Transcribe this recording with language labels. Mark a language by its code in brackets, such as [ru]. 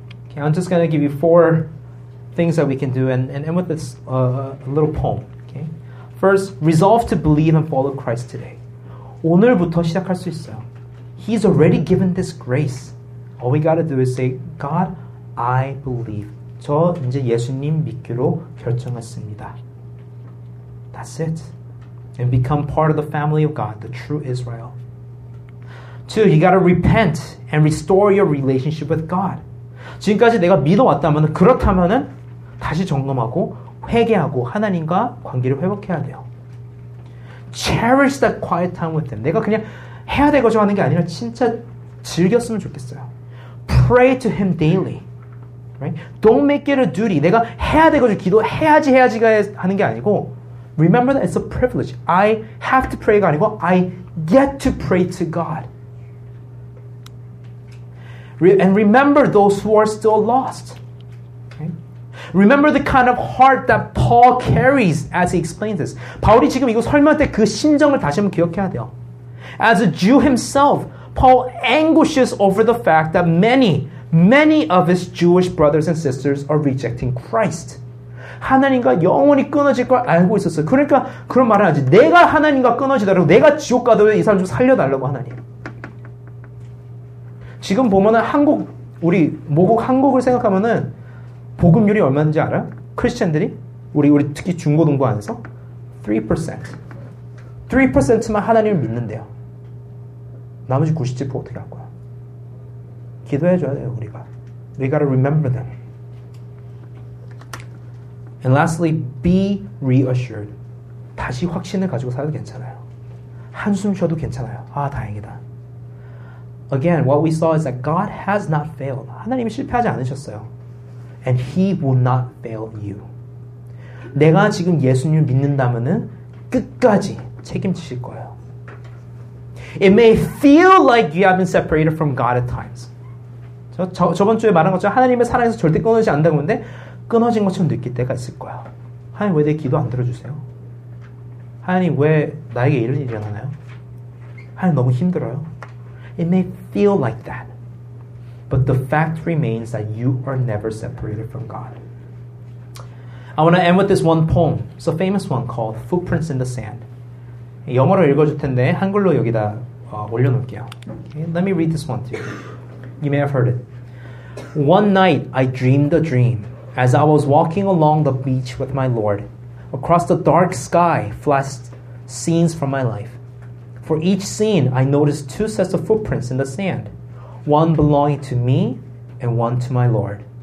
[en] Okay, I'm just going to give you four things that we can do and end with this little poem. Okay? First, resolve to believe and follow Christ today. [ko] 오늘부터 시작할 수 있어요. [en] He's already given this grace. All we got to do is say, God, I believe. [ko] 저 이제 예수님 믿기로 결정했습니다. [en] That's it. And become part of the family of God, the true Israel. Two, you got to repent and restore your relationship with God. [ko] 지금까지 내가 믿어왔다면 그렇다면은 다시 점검하고 회개하고 하나님과 관계를 회복해야 돼요. [en] Cherish that quiet time with Him. [ko] 내가 그냥 해야 될 거죠 하는 게 아니라 진짜 즐겼으면 좋겠어요. [en] Pray to Him daily. Right? Don't make it a duty. [ko] 내가 해야 될 거죠. 기도해야지 해야지가 하는 게 아니고 [en] Remember that it's a privilege. I have to pray [ko] 가 아니고 [en] I get to pray to God. And remember those who are still lost. Okay? Remember the kind of heart that Paul carries as he explains this. [ko] 바울이 지금 이거 설명할 때 그 심정을 다시 한번 기억해야 돼요. [en] As a Jew himself, Paul anguishes over the fact that many of his Jewish brothers and sisters are rejecting Christ. [ko] 하나님과 영원히 끊어질 걸 알고 있었어요. 그러니까 그런 말을 하지. 내가 하나님과 끊어지더라도 내가 지옥 가더라도 이 사람 좀 살려달라고 하나님. 지금 보면은 한국 우리 모국 한국을 생각하면은 복음률이 얼마인지 알아? 크리스천들이 우리 특히 중고등부 안에서 3% 3%만 하나님을 믿는데요. 나머지 97% 어떻게 할 거야? 기도해 줘야 돼요, 우리가. [en] We got to remember them. And lastly, be reassured. [ko] 다시 확신을 가지고 살아도 괜찮아요. 한숨 쉬어도 괜찮아요. 아, 다행이다. [en] Again, what we saw is that God has not failed. [ko] 하나님이 실패하지 않으셨어요. [en] And He will not fail you. [ko] 내가 지금 예수님을 믿는다면은 끝까지 책임지실 거예요. [en] It may feel like you have been separated from God at times. [ko] 저번 주에 말한 것처럼 하나님의 사랑에서 절대 끊어지지 않는다고 했는데 끊어진 것처럼 느낄 때가 있을 거야. 하나님 왜 내 기도 안 들어주세요? 하나님 왜 나에게 이런 일이 일어나나요? 하나님 너무 힘들어요. [en] It may feel like that. But the fact remains that you are never separated from God. I want to end with this one poem. It's a famous one called Footprints in the Sand. [ko] 영어로 읽어줄 텐데 한글로 여기다 올려놓을게요. [en] Okay, let me read this one to you. You may have heard it. One night I dreamed a dream. As I was walking along the beach with my Lord, across the dark sky flashed scenes from my life. For each scene, I noticed two sets of footprints in the sand, one belonging to me and one to my Lord.